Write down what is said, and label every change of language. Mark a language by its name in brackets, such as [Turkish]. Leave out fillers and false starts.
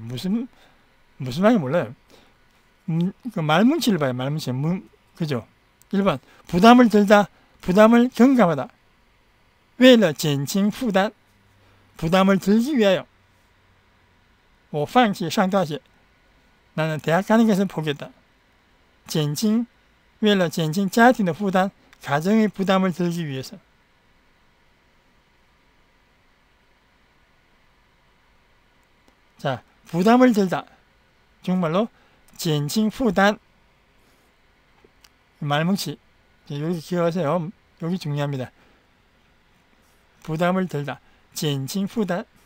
[Korean] 무슨 말인지 몰라요. 그 말뭉치를 봐요, 말뭉치. 그죠? 1번. 부담을 들다, 부담을 경감하다. [Chinese] 为了减轻负担, [Korean] 부담을 들기 위하여. [Chinese] 我放弃上大学. [Korean] 나는 대학 가는 것을 포기했다. [Chinese] 减轻, 为了减轻家庭的负担. [Korean] 가정의 부담을 들기 위해서. 자, 부담을 들다. 정말로, 진칭 부담. 말뭉치. 여기 기억하세요. 여기 중요합니다. 부담을 들다. 진칭 부담.